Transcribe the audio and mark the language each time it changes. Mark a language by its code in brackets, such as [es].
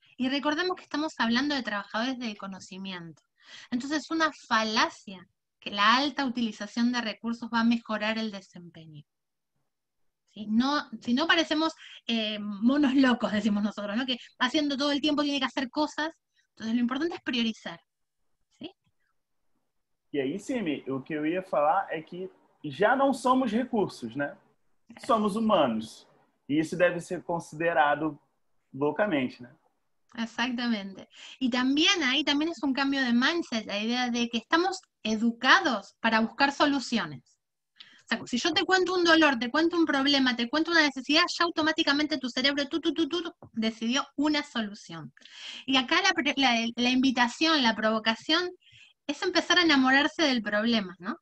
[es] Y recordemos que estamos hablando de trabajadores del conocimiento. Entonces es una falacia que la alta utilización de recursos va a mejorar el desempeño. ¿Sí? No, si no parecemos monos locos, decimos nosotros, ¿no? Que haciendo todo el tiempo tiene que hacer cosas. Entonces lo importante es priorizar. [pt] E aí, Simi, o que eu ia falar é que já não somos recursos, né? Somos humanos. E isso deve ser considerado loucamente, né? [es] Exactamente. Y también ahí también es un cambio de mindset, la idea de que estamos educados para buscar soluciones. Sea, si yo te cuento un dolor, te cuento un problema, te cuento una necesidad, ya automáticamente tu cerebro decidió una solución. Y acá la invitación, la provocación es empezar a enamorarse del problema, ¿no?